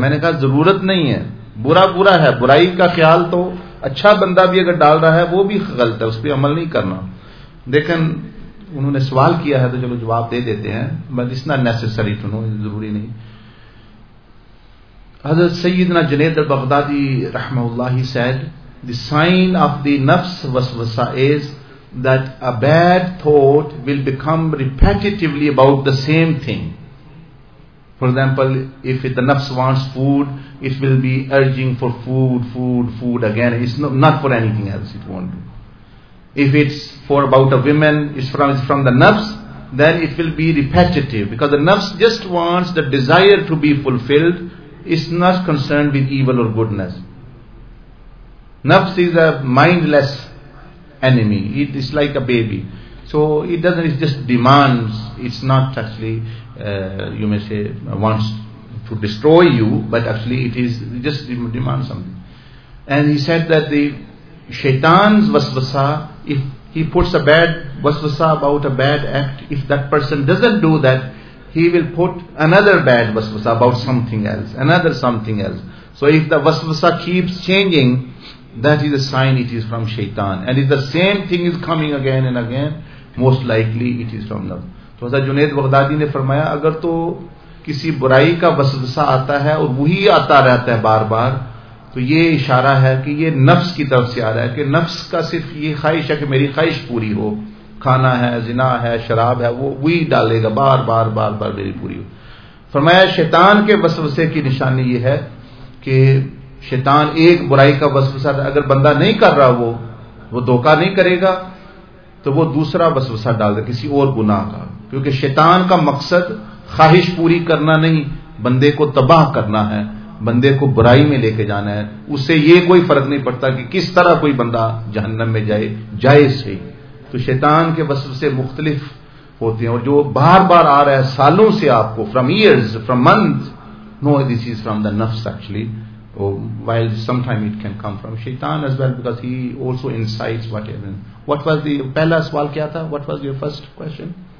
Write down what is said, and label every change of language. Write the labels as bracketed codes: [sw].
[ur] Maine kaha zarurat nahi hai, bura bura hai, burai ka khayal to اچھا بندہ بھی اگر ڈال رہا ہے وہ بھی غلط ہے, اس پہ عمل نہیں کرنا. لیکن انہوں نے سوال کیا ہے تو چلو جواب دے دیتے ہیں, [en] but it's not necessary to know, [ur] ضروری نہیں. [en] حضرت سیدنا جنید البغدادی رحمہ اللہ said, the sign of the نفس وسوسہ is that a bad thought will become repetitively about the same thing. For example, if the nafs wants food, it will be urging for food again. It's not for anything else it won't do. If it's for about a woman, it's from the nafs, then it will be repetitive, because the nafs just wants the desire to be fulfilled. It's not concerned with evil or goodness. Nafs is a mindless enemy. It is like a baby. So it doesn't, it just demands, it's not actually, you may say, wants to destroy you, but actually it is just demands something. And he said that the shaitan's waswasa, if he puts a bad waswasa about a bad act, if that person doesn't do that, he will put another bad waswasa about something else, another something else. So if the waswasa keeps changing, that is a sign it is from shaitan. And if the same thing is coming again and again, most likely it is from love. [ur] تو حضرت جنید بغدادی نے فرمایا اگر تو کسی برائی کا وسوسہ آتا ہے اور وہی آتا رہتا ہے بار بار, تو یہ اشارہ ہے کہ یہ نفس کی طرف سے آ رہا ہے, کہ نفس کا صرف یہ خواہش ہے کہ میری خواہش پوری ہو, کھانا ہے, زنا ہے, شراب ہے, وہی ڈالے گا بار بار بار بار میری پوری ہو. فرمایا شیطان کے وسوسے کی نشانی یہ ہے کہ شیطان ایک برائی کا وسوسہ اگر بندہ نہیں کر رہا, وہ دھوکا نہیں کرے گا, تو وہ دوسرا وسوسہ ڈال دے کسی اور گناہ کا. کیونکہ شیطان کا مقصد خواہش پوری کرنا نہیں, بندے کو تباہ کرنا ہے, بندے کو برائی میں لے کے جانا ہے. اسے یہ کوئی فرق نہیں پڑتا کہ کس طرح کوئی بندہ جہنم میں جائے, جائے سے. تو شیطان کے وسوسے مختلف ہوتے ہیں, اور جو بار بار آ رہا ہے سالوں سے آپ کو, [en] From years, from month, no this is from the نفس actually, while some time it can come from شیطان as well, because he also insights whatever ایور. What was the [ur] پہلا سوال کیا تھا, [en] what was your first question?